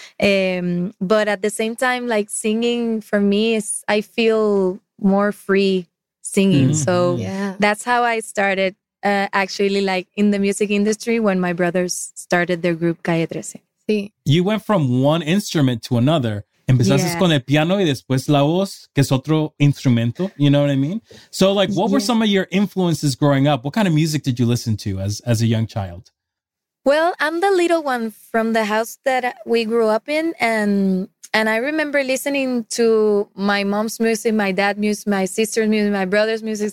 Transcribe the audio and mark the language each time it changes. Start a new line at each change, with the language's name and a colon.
English: But at the same time, like singing for me, I feel more free singing. Mm-hmm. So that's how I started. Actually, like in the music industry, when my brothers started their group Calle 13.
Spanish: Sí.
English: You went from one instrument to another.
Spanish: Empezaste con el piano y después la voz, que es otro instrumento.
English: You know what I mean? So, like, what were some of your influences growing up? What kind of music did you listen to as a young child? Well, I'm the little one from the house that we grew up in, and I remember listening to my mom's music, my dad's music, my sister's music, my brother's music.